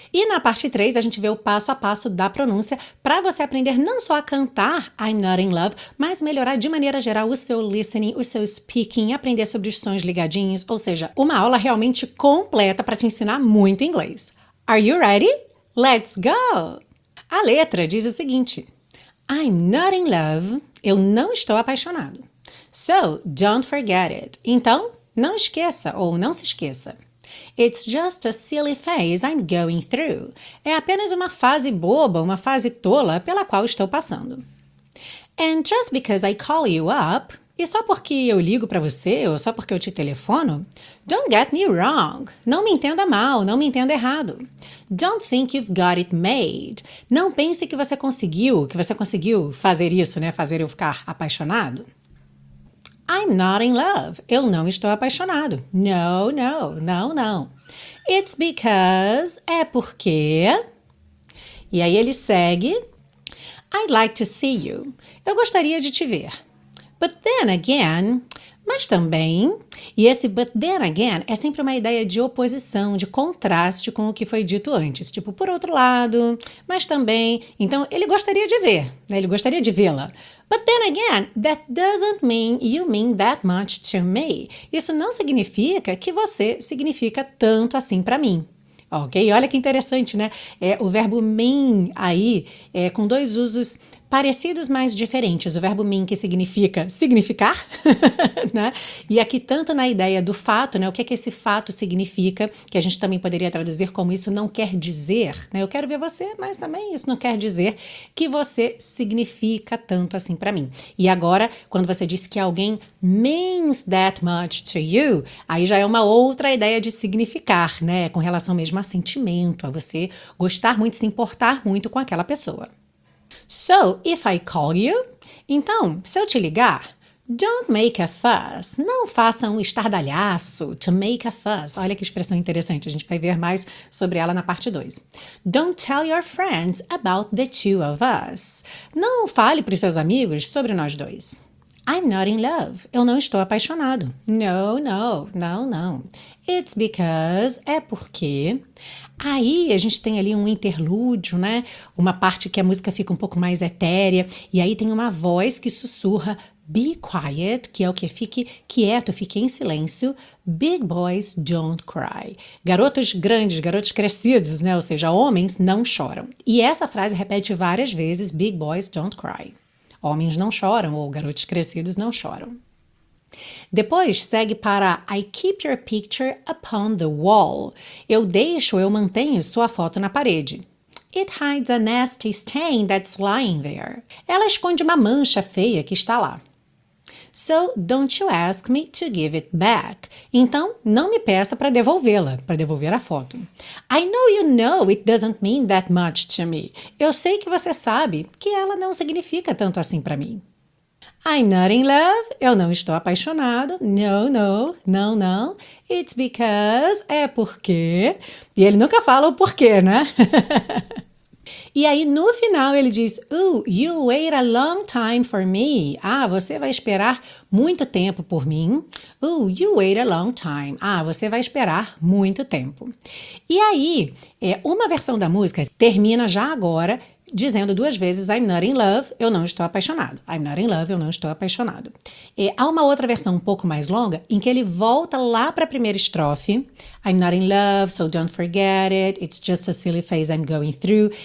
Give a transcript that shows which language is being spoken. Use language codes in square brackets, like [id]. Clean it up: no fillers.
[pt] E na parte 3, a gente vê o passo a passo da pronúncia para você aprender não só a cantar I'm Not In Love, mas melhorar de maneira geral o seu listening, o seu speaking, aprender sobre os sons ligadinhos, ou seja, uma aula realmente completa para te ensinar muito inglês. [en] Are you ready? Let's go! [pt] A letra diz o seguinte: [en] I'm not in love. [pt] Eu não estou apaixonado. [en] So, don't forget it. [pt] Então, não esqueça ou não se esqueça. [en] It's just a silly phase I'm going through. [pt] É apenas uma fase boba, uma fase tola pela qual estou passando. [en] And just because I call you up, [pt] e só porque eu ligo para você ou só porque eu te telefono, [en] don't get me wrong. [pt] Não me entenda mal, não me entenda errado. [en] Don't think you've got it made. [pt] Não pense que você conseguiu fazer isso, né? Fazer eu ficar apaixonado. [en] I'm not in love. [pt] Eu não estou apaixonado. [en] No, no, [pt] não, não. [en] It's because... [pt] É porque... E aí ele segue. [en] I'd like to see you. [pt] Eu gostaria de te ver. [en] But then again... [pt] Mas também... E esse [en] but then again [pt] é sempre uma ideia de oposição, de contraste com o que foi dito antes. Tipo, por outro lado, mas também... Então, ele gostaria de ver, né? Ele gostaria de vê-la. [en] But then again, that doesn't mean you mean that much to me. [pt] Isso não significa que você significa tanto assim para mim. Ok? Olha que interessante, né? É o verbo mean aí, é com dois usos parecidos, mas diferentes. O verbo mean, que significa significar, né? E aqui tanto na ideia do fato, né? O que é que esse fato significa, que a gente também poderia traduzir como isso não quer dizer, né? Eu quero ver você, mas também isso não quer dizer que você significa tanto assim para mim. E agora, quando você diz que alguém [en] means that much to you, [pt] aí já é uma outra ideia de significar, né? Com relação mesmo a sentimento, a você gostar muito, se importar muito com aquela pessoa. [en] So, if I call you, [pt] então, se eu te ligar, [en] don't make a fuss, [pt] não faça um estardalhaço, [en] to make a fuss. [pt] Olha que expressão interessante, a gente vai ver mais sobre ela na parte 2. [en] Don't tell your friends about the two of us. [pt] Não fale para os seus amigos sobre nós dois. [en] I'm not in love, [pt] eu não estou apaixonado. [en] No, no, [pt] não, não. [en] It's because, [pt] é porque... Aí a gente tem ali um interlúdio, né? Uma parte que a música fica um pouco mais etérea. E aí tem uma voz que sussurra, [en] be quiet, [pt] que é o que? Fique quieto, fique em silêncio. [en] Big boys don't cry. [pt] Garotos grandes, garotos crescidos, né? Ou seja, homens não choram. E essa frase repete várias vezes, [en] big boys don't cry. [pt] Homens não choram ou garotos crescidos não choram. Depois segue para [en] I keep your picture upon the wall. [pt] Eu deixo, eu mantenho sua foto na parede. [en] It hides a nasty stain that's lying there. [pt] Ela esconde uma mancha feia que está lá. [en] So don't you ask me to give it back. [pt] Então, não me peça para devolvê-la, para devolver a foto. [en] I know you know it doesn't mean that much to me. [pt] Eu sei que você sabe que ela não significa tanto assim para mim. [en] I'm not in love. [pt] Eu não estou apaixonado. Não. [en] It's because... [pt] É porque... E ele nunca fala o porquê, né? E aí, no final, ele diz, [en] oh, you wait a long time for me. [pt] Ah, você vai esperar muito tempo por mim. [en] Oh, you wait a long time. [pt] Ah, você vai esperar muito tempo. E aí, uma versão da música termina já agora, dizendo duas vezes, [en] I'm not in love, [pt] eu não estou apaixonado. [en] I'm not in love, [pt] eu não estou apaixonado. E há uma outra versão um pouco mais longa, em que ele volta lá para a primeira estrofe. [en] I'm not in love, so don't forget it. It's just a silly phase I'm going through.